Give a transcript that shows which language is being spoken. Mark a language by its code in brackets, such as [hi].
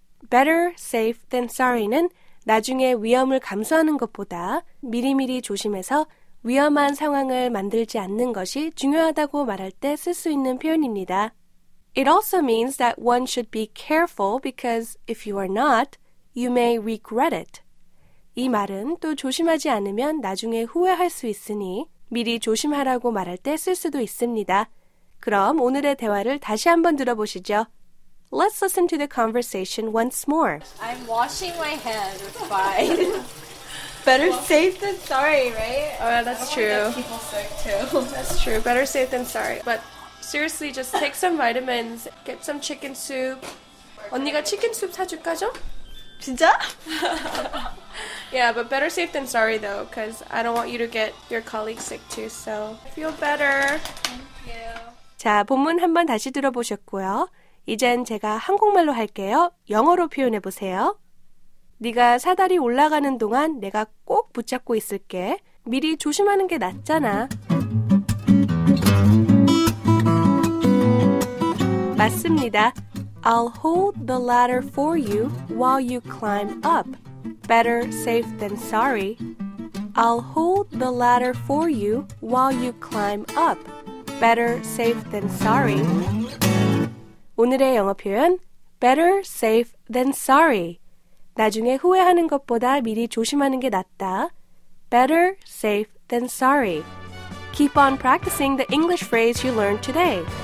[en] Better safe than sorry [ko] 는 나중에 위험을 감수하는 것보다 미리미리 조심해서 위험한 상황을 만들지 않는 것이 중요하다고 말할 때 쓸 수 있는 표현입니다. [en] It also means that one should be careful because if you are not, you may regret it. [ko] 이 말은 또 조심하지 않으면 나중에 후회할 수 있으니 미리 조심하라고 말할 때 쓸 수도 있습니다. 그럼 오늘의 대화를 다시 한번 들어보시죠. [en] Let's listen to the conversation once more. I'm washing my head. It's fine. Better safe than sorry, right? Oh, yeah, that's true. I don't want to get people sick, too. That's true. Better safe than sorry. But seriously, just take some vitamins. Get some chicken soup. [ko] 언니가 치킨 수프 사줄까죠? 진짜? [en] Yeah, but better safe than sorry, though, because I don't want you to get your colleagues sick, too. So feel better. Thank you. [ko] 자, 본문 한번 다시 들어보셨고요. 이젠 제가 한국말로 할게요. 영어로 표현해 보세요. 네가 사다리 올라가는 동안 내가 꼭 붙잡고 있을게. 미리 조심하는 게 낫잖아. 맞습니다. [en] I'll hold the ladder for you while you climb up. Better safe than sorry. I'll hold the ladder for you while you climb up. Better safe than sorry. [ko] 오늘의 영어 표현, [en] better safe than sorry. [ko] 나중에 후회하는 것보다 미리 조심하는 게 낫다. [en] Better safe than sorry. Keep on practicing the English phrase you learned today.